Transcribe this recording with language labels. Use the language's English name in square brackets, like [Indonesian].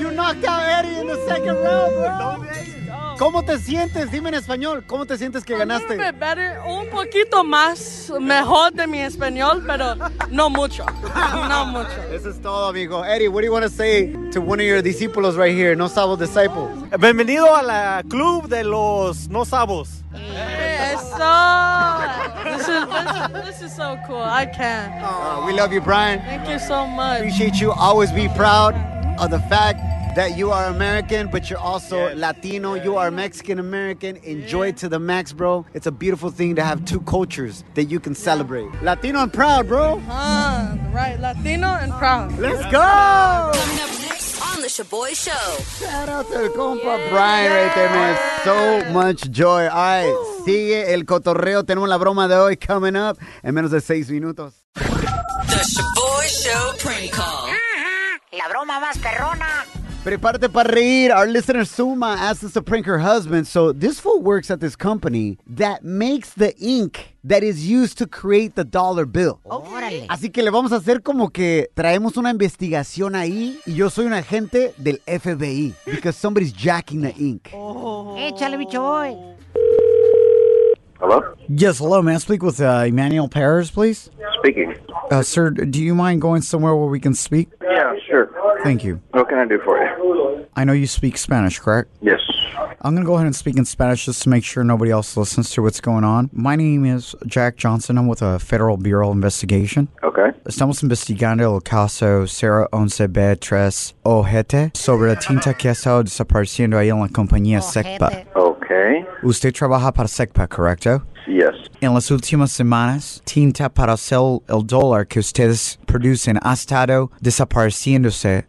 [English] You knocked out Eddie in the second round, bro. [Spanish] ¿Cómo te sientes? Dime en español. ¿Cómo te sientes que ganaste? [English] Better, [Spanish] un poquito más mejor de mi español, pero no mucho. No mucho. [English] This is [Spanish] todo, amigo. [English] Eddie, what do you want to say to one of your discípulos right here, No Sabo Disciple? [Spanish] Bienvenido al club de los No Sabos. Eso. [English] This is so cool. I can. We love you, Brian. Thank you so much. Appreciate you. Always be proud of the fact that you are American, but you're also Latino. Yeah. You are Mexican-American. Enjoy it to the max, bro. It's a beautiful thing to have two cultures that you can celebrate. Latino and proud, bro. Right. Latino and proud. Let's go. The Shaboy Show. Shout out to compa Brian right there, man. So much joy. All right, [Spanish] sigue el cotorreo. Tenemos la broma de hoy [English] coming up [Spanish] en menos de 6 minutos. [English] The Shaboy Show prank call. [Spanish] La broma más perrona. Prepárate para reír. [English] Our listener Suma asked us to prank her husband. So this fool works at this company that makes the ink that is used to create the dollar bill. [Spanish] Órale. Así que le vamos a hacer como que traemos una investigación ahí y yo soy un agente del FBI. [English] Because somebody's jacking the ink. [Spanish] Oh. Échale, bicho boy. [English] Hello? Yes, hello, man. Speak with Emmanuel Paris, please. Speaking. Sir, do you mind going somewhere where we can speak? Yeah, sure. Thank you. What can I do for you? I know you speak Spanish, correct? Yes. I'm going to go ahead and speak in Spanish just to make sure nobody else listens to what's going on. My name is Jack Johnson. I'm with a Federal Bureau investigation. Okay. [Spanish] Estamos investigando el caso 011 B3 Ojete sobre la tinta que ha estado desapareciendo ahí en la compañía SECPA. [English] Okay. [Spanish] Usted trabaja para SECPA, correcto? [English] Yes. [Spanish] En las últimas semanas, tinta para hacer el dólar que ustedes producen ha estado desapareciéndose.